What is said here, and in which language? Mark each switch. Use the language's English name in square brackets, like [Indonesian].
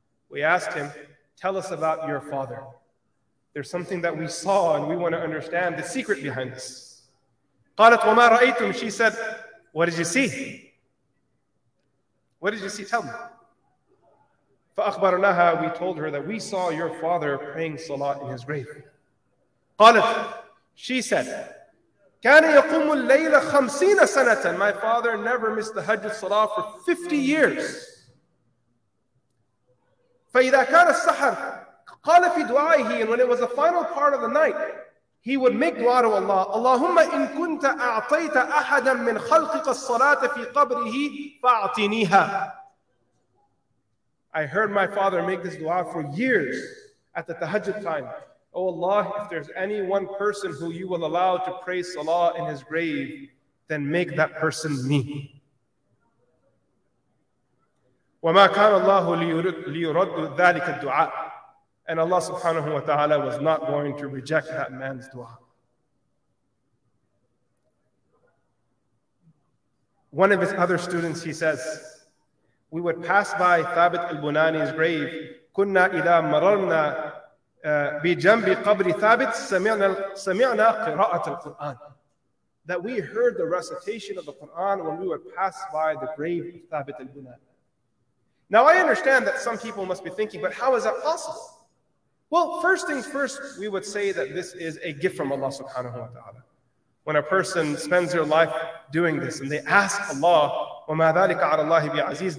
[English] We asked him, tell us about your father. There's something that we saw and we want to understand the secret behind this. [Arabic] قَالَتْ وَمَا رَأَيْتُمْ. [English] She said, what did you see? What did you see? Tell me. [Arabic] فَأَخْبَرْنَهَا. [English] We told her that we saw your father praying salah in his grave. [Arabic] قَالَتْ. [English] She said, [Arabic] كَانَ يَقُومُ اللَّيْلَ خَمْسِينَ سَنَةً. [English] My father never missed the Hajj salah for 50 years. [Arabic] فَإِذَا كَانَ السَّحَرْ قَالَ فِي دُعَائِهِ. [English] And when it was the final part of the night, he would make dua to Allah. [Arabic] اللَّهُمَّ إِن كُنْتَ أَعْطَيْتَ أَحَدًا مِّنْ خَلْقِكَ الصَّلَاةَ فِي قَبْرِهِ فَأَعْطِنِيهَا. [English] I heard my father make this dua for years at the tahajjud time. Oh Allah, if there's any one person who you will allow to pray salah in his grave, then make that person me. [Arabic] وَمَا كَانَ اللَّهُ لِيُرَدُّ ذَلِكَ الدُّعَاءِ. [English] And Allah subhanahu wa ta'ala was not going to reject that man's dua. One of his other students, he says, we would pass by Thabit al-Bunani's grave. [Arabic] كنا إذا مررنا بجنب قبر ثابت سمعنا قراءة القرآن. [English] That we heard the recitation of the Quran when we would pass by the grave of Thabit al-Bunani. Now I understand that some people must be thinking, but how is that possible? Well, first things first, we would say that this is a gift from Allah subhanahu wa ta'ala. When a person spends their life doing this and they ask Allah, [Arabic] وَمَا ذَلِكَ عَلَى اللَّهِ بِعَزِيزٍ.